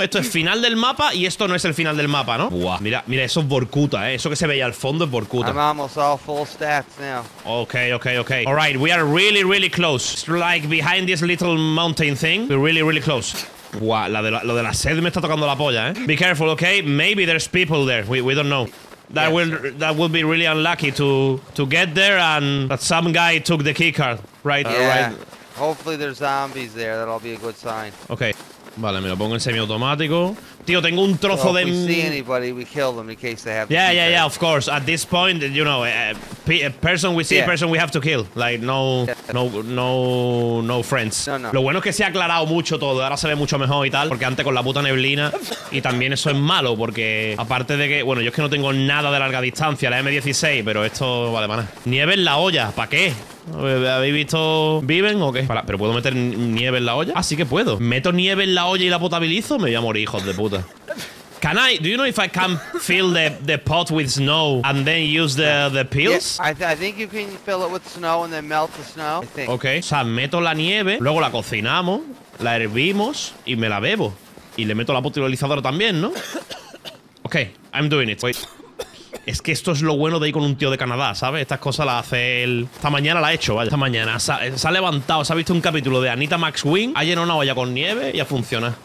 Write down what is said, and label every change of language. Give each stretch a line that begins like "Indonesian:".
Spanish: Esto es final del mapa y esto no es el final del mapa, ¿no? Buah, mira, mira, eso es Vorkuta, ¿eh? Eso que se ve ahí al fondo es Vorkuta.
English: I'm almost all full stats now. Okay, okay, okay. All right, we are really, really close. It's like behind this little mountain thing. We're really, really close.
Spanish: Wow, lo de la sed me está tocando la polla, eh.
English: Be careful, okay? Maybe there's people there. We don't know. That would be really unlucky to get there and that some guy took the keycard, right? Yeah. Right. Hopefully there's zombies there. That'll be a good sign.
Spanish: Okay. Vale, me lo pongo en semiautomático. Tío, tengo un trozo de...
English: Well, if we see anybody, we kill them in case they have... Yeah, yeah, yeah, of course. At this point, you know, a person we have to kill. Like, no friends. No, no.
Spanish: Lo bueno es que se ha aclarado mucho todo. Ahora se ve mucho mejor y tal. Porque antes con la puta neblina. Y también eso es malo, porque... Aparte de que... Bueno, yo es que no tengo nada de larga distancia. La M16, pero esto... Vale, mana. Nieve en la olla. ¿Para qué? ¿Habéis visto Viven o qué? Para, ¿pero puedo meter nieve en la olla? Ah, sí que puedo. ¿Meto nieve en la olla y la potabilizo? Me voy a morir, hijos de puta.
English: Can I, do you know if I can fill the pot with snow and then use the pills? Yeah, I think you can fill it with snow and then melt the snow, I think. Okay.
Spanish: O sea, meto la nieve, luego la cocinamos, la hervimos y me la bebo. Y le meto la potabilizadora también, ¿no?
English: Okay, I'm doing it. Wait.
Spanish: Es que esto es lo bueno de ir con un tío de Canadá, ¿sabes? Estas cosas las hace él. Esta mañana la ha hecho, vaya. Esta mañana se ha levantado, se ha visto un capítulo de Anita Max Wing, ha llenado una olla con nieve y ha funcionado.